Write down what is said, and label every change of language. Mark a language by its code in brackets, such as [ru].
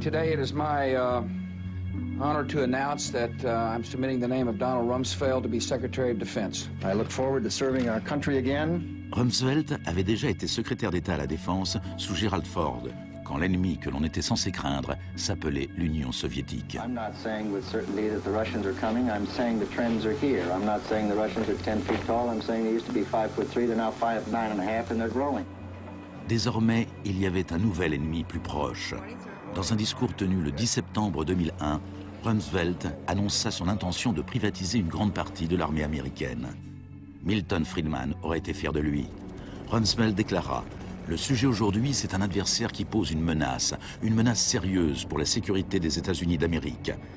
[en] Today it is my honor to announce that I'm submitting the name of Donald Rumsfeld to be Secretary of Defense. I look forward to serving our country again. [fr] Rumsfeld avait déjà été secrétaire d'État à la Défense sous Gerald Ford, quand l'ennemi que l'on était censé craindre s'appelait l'Union soviétique. [en] I'm not saying with certainty that the Russians are coming. I'm saying the trends are here. I'm not saying the Russians are 10 feet tall. I'm saying they used to be 5 foot 3. They're now 5'9 and a half and they're growing. [fr] Désormais, il y avait un nouvel ennemi plus proche. Dans un discours tenu le 10 septembre 2001, Rumsfeld annonça son intention de privatiser une grande partie de l'armée américaine. Milton Friedman aurait été fier de lui. Rumsfeld déclara « Le sujet aujourd'hui, c'est un adversaire qui pose une menace sérieuse pour la sécurité des États-Unis d'Amérique.